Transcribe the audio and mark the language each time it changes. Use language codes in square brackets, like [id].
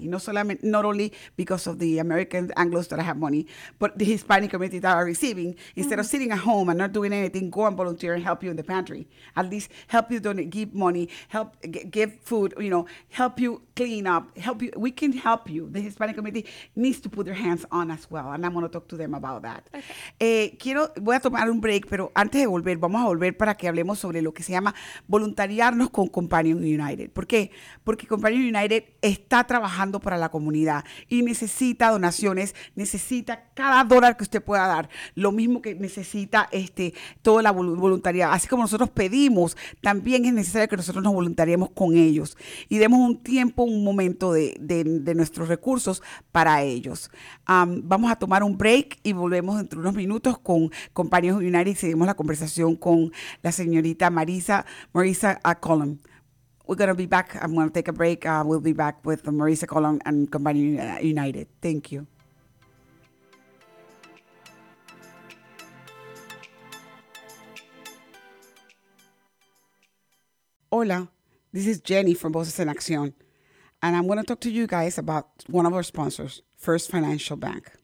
[en] You know, so not only because of the American Anglos that have money, but the Hispanic community that are receiving, instead of sitting at home and not doing anything, go and volunteer and help you in the pantry. At least help you donate, give money, help give food, you know, help you clean up, help you. We can help you. The Hispanic community needs to put their hands on as well. And I'm going to talk to them about that. Okay. [es] Voy a tomar un break, pero antes de volver, vamos a volver para que hablemos sobre lo que se llama voluntariarnos con Companion United. ¿Por qué? Porque Companion United está trabajando para la comunidad y necesita donaciones, necesita cada dólar que usted pueda dar, lo mismo que necesita toda la voluntariado. Así como nosotros pedimos, también es necesario que nosotros nos voluntariemos con ellos y demos un tiempo, un momento de nuestros recursos para ellos. Vamos a tomar un break y volvemos dentro de unos minutos con Companion United y seguimos la conversación con la señorita Marisa Colon. [en] We're going to be back. I'm going to take a break. We'll be back with Marisa Colon and Companion United. Thank you. Hola, this is Jenny from Voces en Acción, and I'm going to talk to you guys about one of our sponsors, First Financial Bank.